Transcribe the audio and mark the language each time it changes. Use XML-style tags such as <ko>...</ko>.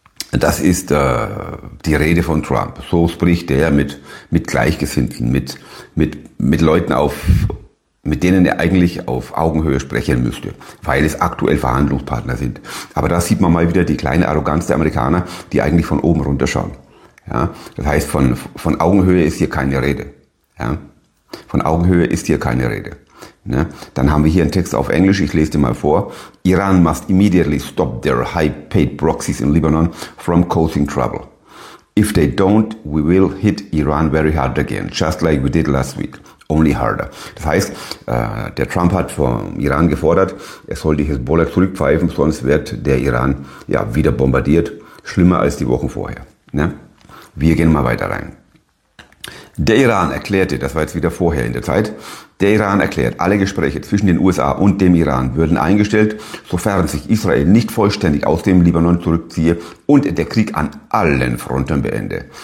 <de>Das ist die Rede von Trump. So spricht er mit Gleichgesinnten, mit Leuten mit denen er eigentlich auf Augenhöhe sprechen müsste, weil es aktuell Verhandlungspartner sind. Aber da sieht man mal wieder die kleine Arroganz der Amerikaner, die eigentlich von oben runterschauen. Ja, das heißt, von Augenhöhe ist hier keine Rede. Ja, von Augenhöhe ist hier keine Rede. Ne? Dann haben wir hier einen Text auf Englisch, ich lese den mal vor.</de> <en>Iran must immediately stop their high-paid proxies in Lebanon from causing trouble. If they don't, we will hit Iran very hard again, just like we did last week, only harder.</en> <de>Das heißt, der Trump hat vom Iran gefordert, er soll die Hezbollah zurückpfeifen, sonst wird der Iran ja wieder bombardiert, schlimmer als die Wochen vorher. Ne? Wir gehen mal weiter rein. Der Iran erklärte, das war jetzt wieder vorher in der Zeit, der Iran erklärt, alle Gespräche zwischen den USA und dem Iran würden eingestellt, sofern sich Israel nicht vollständig aus dem Libanon zurückziehe und der Krieg an allen Fronten beende.</de>